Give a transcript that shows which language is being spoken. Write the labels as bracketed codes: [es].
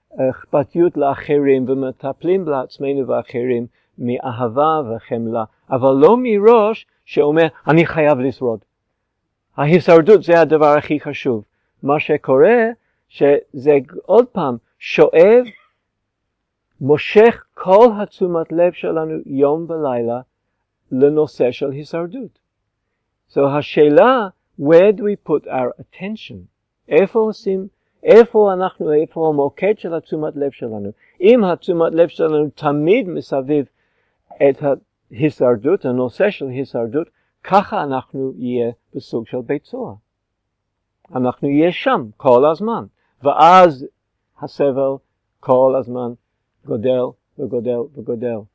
[he] אכפתיות לאחרים ומטפלים לעצמנו ואחרים מאהבה וחמלה, אבל לא מראש שאומר אני חייב לשרוד. ההישרדות זה הדבר הכי חשוב. מה שקורה שזה עוד פעם שואב, מושך כל התשומת לב שלנו יום ולילה לנושא של הישרדות. [en] So [he] השאלה, [en] where do we put our attention? [he] איפה עושים? איפה אנחנו, איפה המוקד של התשומת לב שלנו? אם התשומת לב שלנו תמיד מסביב את ההישרדות, הנושא של הישרדות, ככה אנחנו יהיה בסוג של בית סוהר. אנחנו יהיה שם כל הזמן. ואז הסבל כל הזמן גודל וגודל וגודל.